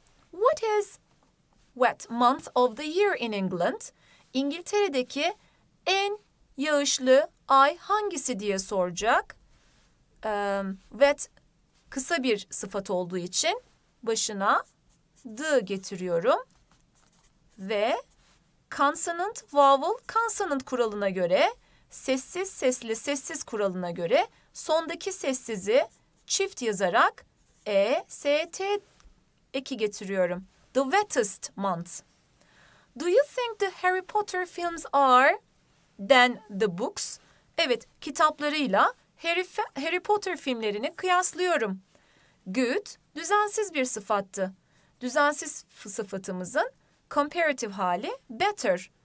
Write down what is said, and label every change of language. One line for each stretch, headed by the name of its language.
English: What is wet month of the year in England?
Turkish: İngiltere'deki en yağışlı ay hangisi diye soracak. Wet kısa bir sıfat olduğu için başına the getiriyorum. Ve consonant, vowel, consonant kuralına göre, sessiz, sesli, sessiz kuralına göre sondaki sessizi çift yazarak e, s, t, eki getiriyorum.
English: The wettest month. Do you think the Harry Potter films are than the books?
Turkish: Evet, kitaplarıyla Harry Potter filmlerini kıyaslıyorum. Good, düzensiz bir sıfattı. Düzensiz sıfatımızın comparative hali better.